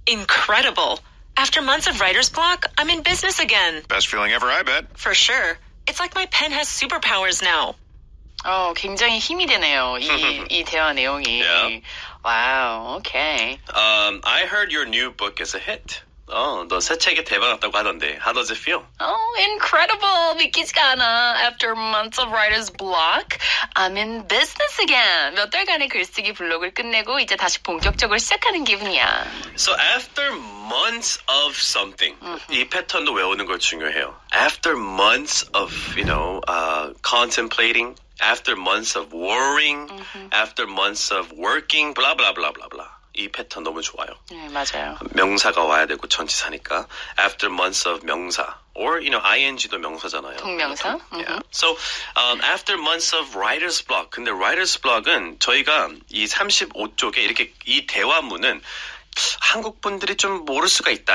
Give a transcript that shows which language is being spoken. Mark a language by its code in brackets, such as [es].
[en] Incredible. After months of writer's block, I'm in business again. Best feeling ever, I bet. For sure. It's like my pen has superpowers now. [ko] 굉장히 힘이 되네요. 이 대화 내용이. [en] Yeah. Wow, okay. I heard your new book is a hit. [ko] 너 새 책이 대박났다고 하던데. [en] How does it feel? Oh, incredible. [ko] 믿기지가 않아. [en] After months of writer's block, I'm in business again. [ko] 몇 달간의 글쓰기 블록을 끝내고 이제 다시 본격적으로 시작하는 기분이야. [en] So after months of something, mm-hmm. [ko] 이 패턴도 외우는 걸 중요해요. [en] After months of, you know, contemplating, after months of worrying, mm-hmm. after months of working, blah, blah, blah, blah, blah. [ko] 이 패턴 너무 좋아요. 네, 맞아요. 명사가 와야 되고 전치사니까. [en] After months of 명사. Or, you know, [ko] ing도 명사잖아요. 동명사. [en] Yeah. So, after months of writer's block. [ko] 근데 writer's block은 저희가 이 35쪽에 이렇게 이 대화문은 한국 분들이 좀 모를 수가 있다.